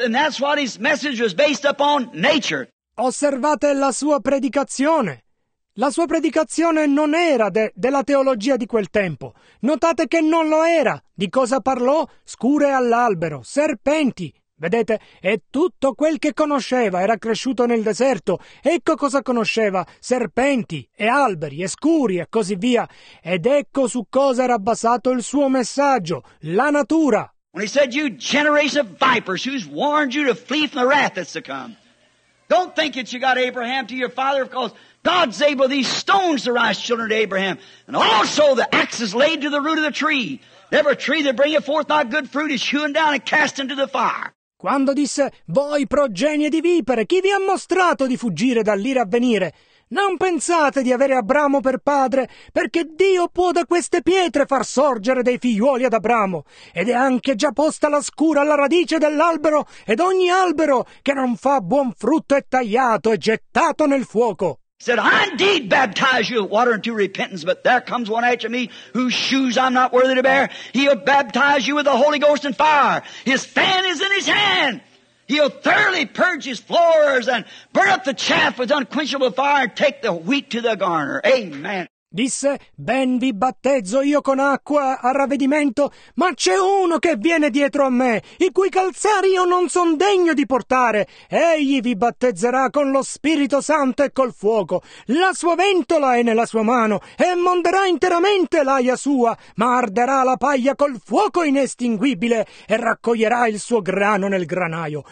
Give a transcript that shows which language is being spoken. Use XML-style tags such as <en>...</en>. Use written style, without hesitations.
<en>And that's what his message was based upon, nature.</en> <it>Osservate la sua predicazione. La sua predicazione non era della teologia di quel tempo. Notate che non lo era. Di cosa parlò? Scure all'albero, serpenti. Vedete, e tutto quel che conosceva era cresciuto nel deserto. Ecco cosa conosceva, serpenti e alberi e scuri e così via. Ed ecco su cosa era basato il suo messaggio, la natura.</it> <en>When he said, "You generation of vipers, who's warned you to flee from the wrath that's to come? Don't think that you got Abraham to your father, because God's able these stones to rise children to Abraham. And also the axe is laid to the root of the tree. Every tree that bringeth forth not good fruit is hewn down and cast into the fire."</en> <it>quando disse: «Voi progenie di vipere, chi vi ha mostrato di fuggire dall'ira a venire? Non pensate di avere Abramo per padre, perché Dio può da queste pietre far sorgere dei figliuoli ad Abramo, ed è anche già posta la scura alla radice dell'albero, ed ogni albero che non fa buon frutto è tagliato e gettato nel fuoco».</it> <en>Said, I indeed baptize you with water unto repentance, but there comes one after me whose shoes I'm not worthy to bear. He'll baptize you with the Holy Ghost and fire. His fan is in his hand. He'll thoroughly purge his floors and burn up the chaff with unquenchable fire and take the wheat to the garner. Amen.</en> <it>Disse, ben vi battezzo io con acqua a ravvedimento, ma c'è uno che viene dietro a me, i cui calzari io non son degno di portare. Egli vi battezzerà con lo Spirito Santo e col fuoco. La sua ventola è nella sua mano, e monderà interamente l'aia sua, ma arderà la paglia col fuoco inestinguibile, e raccoglierà il suo grano nel granaio.</it>